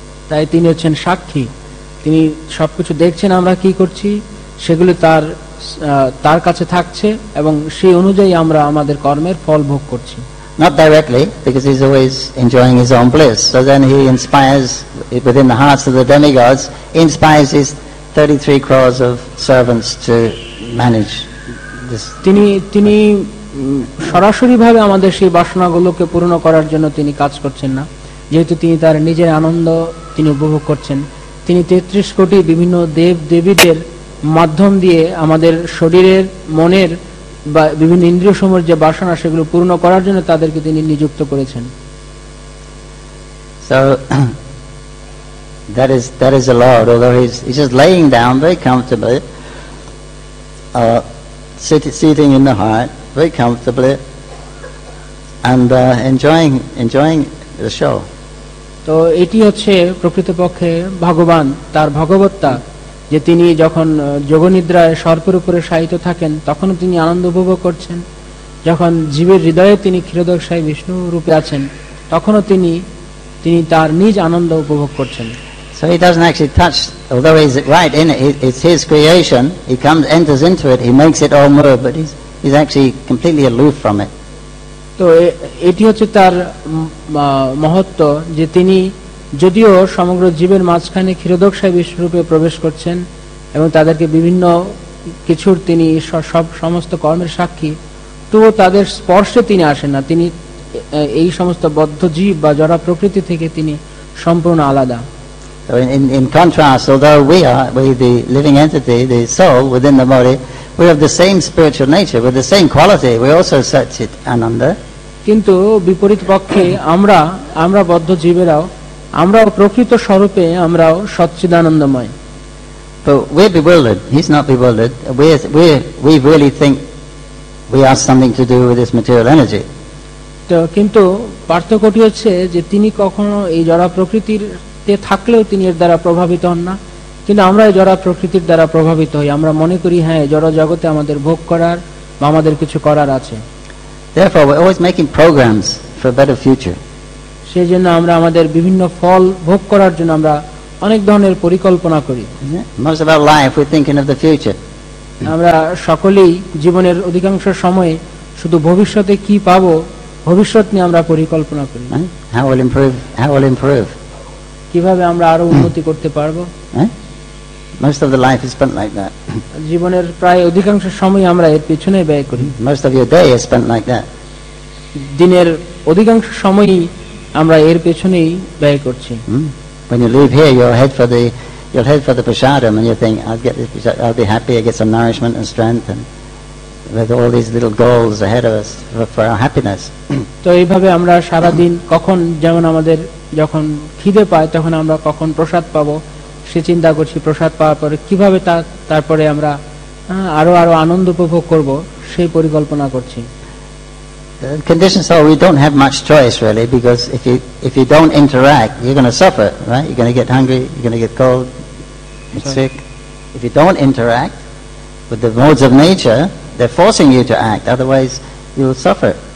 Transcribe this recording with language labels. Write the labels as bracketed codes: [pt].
[bn] তাই তিনি হচ্ছেন সাক্ষী তিনি সবকিছু দেখছেন আমরা কি করছি সেগুলো তার তার কাছে থাকছে এবং সেই অনুযায়ী আমরা আমাদের কর্মের ফল ভোগ করছি [en] Not directly, because he's always enjoying his own bliss. So then he inspires, within the hearts of the demigods, he inspires his 33 crores of servants to manage this. [bn] তিনি সরাসরিভাবে আমাদের সেই বাসনাগুলোকে পূর্ণ করার জন্য তিনি কাজ করছেন না যেহেতু তিনি তার নিজের আনন্দ তিনি উপভোগ করছেন তিনি 33 কোটি বিভিন্ন দেব দেবীদের মাধ্যম দিয়ে আমাদের শরীরের মনের বা বিভিন্ন ইন্দ্রিয় সমূহ যে বাসনা সেগুলো পূর্ণ করার জন্য তাদেরকে তিনি নিযুক্ত করেছেন [en] so that is the lord although he's just laying down very comfortably sitting in the heart very comfortably and enjoying the show [bn] তো এটি হচ্ছে প্রকৃতপক্ষে ভগবান তার ভগবত্তা যে তিনি যখন যোগনিদ্রায় সর্পের উপরে শায়িত থাকেন তখন তিনি আনন্দ উপভোগ করছেন যখন জীবের হৃদয়ে তিনি ক্ষীরোদকশায়ী বিষ্ণু রূপে আছেন তখনও তিনি তিনি তার নিজ আনন্দ উপভোগ করছেন [en] So he doesn't actually touch, although he's right in it, it's his creation, he comes, enters into it, he makes it all move, but he's actually completely aloof from it. [bn] তো এটি হচ্ছে তার মহত্ত্ব যে তিনি যদিও সমগ্র জীবের মাঝখানে ক্ষীরোদকশায়ী বিষ্ণু রূপে প্রবেশ করছেন এবং তাদেরকে বিভিন্ন কিছুর তিনি সব সমস্ত কর্মের সাক্ষী তবুও তাদের স্পর্শে তিনি আসেন না তিনি এই সমস্ত বদ্ধ জীব বা জড়া প্রকৃতি থেকে তিনি সম্পূর্ণ আলাদা [en] In contrast, although we are the living entity, the soul within the body, we have the same spiritual nature, we have the same quality, we also search it, Ananda. [bn] কিন্তু বিপরীত পক্ষে আমরা আমরা বদ্ধ জীবেরাও আমরাও প্রকৃত স্বরূপে আমরাও সচ্চিদানন্দময় [en] তো we are bewildered he's not bewildered we really think we are something to do with this material energy [bn] তো কিন্তু পার্থক্যটি হচ্ছে যে তিনি কখনো এই জড়া প্রকৃতির তে থাকলেও তিনি এর দ্বারা প্রভাবিত হন না কিন্তু আমরা এই জড়া প্রকৃতির দ্বারা প্রভাবিত হই আমরা মনে করি হ্যাঁ জড় জগতে আমাদের ভোগ করার বা আমাদের কিছু করার আছে [en] therefore we're always making programs for a better future [bn] সেই জন্য আমরা আমাদের বিভিন্ন ফল ভোগ করার জন্য আমরা অনেক ধরনের পরিকল্পনা করি [en] most of our life we're thinking of the future [bn] আমরা সকলেই জীবনের অধিকাংশ সময়ে শুধু ভবিষ্যতে কি পাবো ভবিষ্যৎ নিয়ে আমরা পরিকল্পনা করি [en] how will improve [bn] কিভাবে আমরা আরো উন্নতি করতে পারবো [en] Most of the life is spent like that. [bn] জীবনের প্রায় অধিকাংশ সময় আমরা এর পিছনে ব্যয় করি. [en] Most of your day is spent like that. [bn] দিনের অধিকাংশ সময় আমরা এর পিছনেই ব্যয় করছি. [en] When you leave here, you'll head for the prasadam, and you think, I'll get this, I'll be happy, I get some nourishment and strength, and with all these little goals ahead of us for our happiness. [bn] তো এইভাবে আমরা সারা দিন কখন যেমন আমাদের যখন খিদে পায় তখন আমরা কখন প্রসাদ পাবো সে চিন্তা করছি, প্রসাদ পাওয়ার পরে কিভাবে তারপরে আমরা আরো আরো আনন্দ উপভোগ করব সেই পরিকল্পনা করছি. [en] Conditions are, we don't have much choice really, because if you don't interact, you're going to suffer, right? You're going to get hungry, you're going to get cold, get sick. If you don't interact with the modes of nature, they're forcing you to act, otherwise you will suffer.